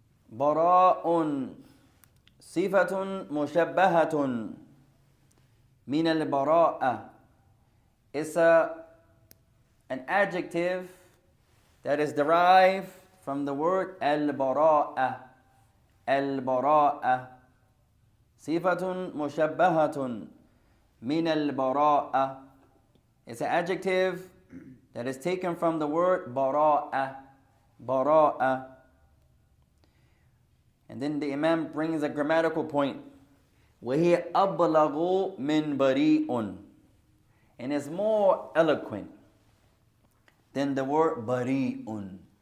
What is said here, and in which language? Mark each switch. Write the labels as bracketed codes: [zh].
[ar] براء صفة مشبهة من البراءة. [en] It's an adjective that is derived from the word البراءة. [ar] البراءة صفة مشبهة من البراءة. [en] It's an adjective that is taken from the word براءة. [ar] براءة. [en] And then the Imam brings a grammatical point. [ar] وَهِيَ أَبْلَغُ مِنْ بَرِيءٌ. [en] And it's more eloquent than the word بَرِيءٌ.